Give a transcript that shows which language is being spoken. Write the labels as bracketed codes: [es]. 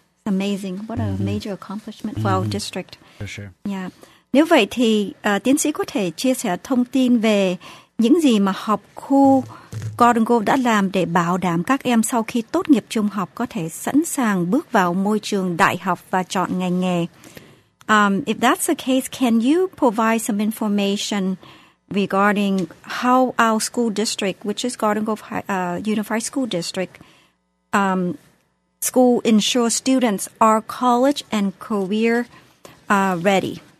[en] Amazing, what a major accomplishment for our district. For sure. Yeah. [vi] Nếu vậy thì tiến sĩ có thể chia sẻ thông tin về những gì mà học khu Garden Grove đã làm để bảo đảm các em sau khi tốt nghiệp trung học có thể sẵn sàng bước vào môi trường đại học và chọn ngành nghề. [en] If that's the case, can you provide some information regarding how our school district, which is Garden Grove Unified School District, school ensures students are college and career ready?